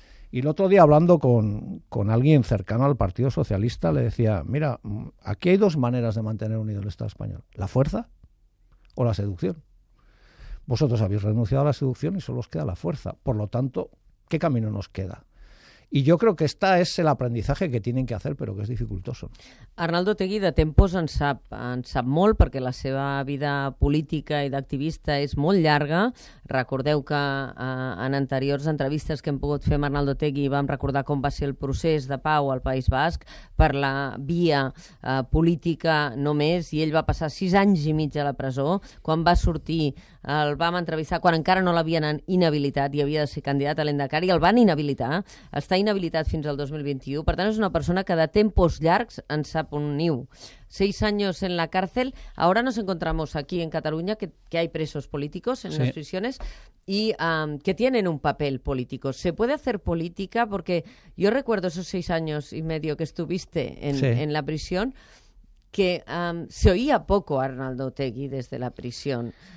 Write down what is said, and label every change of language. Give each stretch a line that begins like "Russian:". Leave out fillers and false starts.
Spanish: Y el otro día, hablando con alguien cercano al Partido Socialista, le decía, mira, aquí hay dos maneras de mantener unido el Estado español. La fuerza o la seducción. Vosotros habéis renunciado a la seducción y solo os queda la fuerza. Por lo tanto, ¿qué camino nos queda? Y yo creo que esta es el aprendizaje que tienen que hacer, pero que es dificultoso.
Catalan: Arnaldo Tegui, de tempos en sap molt, perquè la seva vida política i d'activista és molt llarga. Recordeu que en anteriors entrevistes que hem pogut fer amb Arnaldo Tegui vam recordar com va ser el procés de pau al País Basc per la via política només, i ell va passar 6 anys i mig a la presó. Quan va sortir el vam entrevistar quan encara no l'havien inhabilitat i havia de ser candidat a l'Endacar, i el van inhabilitar. Està inhabilitat fins al 2021. Per tant, és una persona que de tempos llargs en sap un niu.
Spanish: 6 anys en la cárcel. Ahora nos encontramos aquí en Cataluña que hay presos políticos en las prisiones y que tienen un papel político. ¿Se puede hacer política? Porque yo recuerdo esos 6 años y medio que estuviste en la prisión, que se oía poco a Arnaldo Tegui desde la prisión.